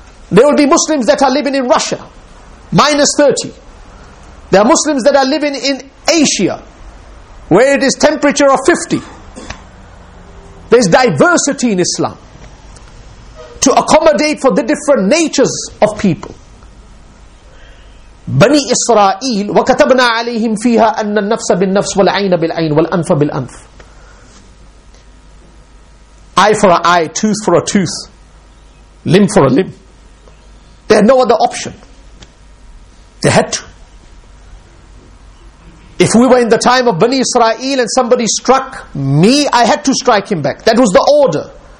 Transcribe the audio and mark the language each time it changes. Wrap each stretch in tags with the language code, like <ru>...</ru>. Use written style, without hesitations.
<en>There will be Muslims that are living in Russia, minus 30. There are Muslims that are living in Asia, where it is temperature of 50. There's diversity in Islam to accommodate for the different natures of people.</en> <ar>Bani Israel, وَكَتَبْنَا عَلَيْهِمْ فِيهَا أَنَّ النَّفْسَ بِالنَّفْسِ وَالْعَيْنَ بِالْعَيْنِ وَالْأَنْفَ بِالْأَنْفِ.</ar> <en>Eye for an eye, tooth for a tooth, limb for a limb. They had no other option. They had to. If we were in the time of Bani Israel and somebody struck me, I had to strike him back. That was the order.</en>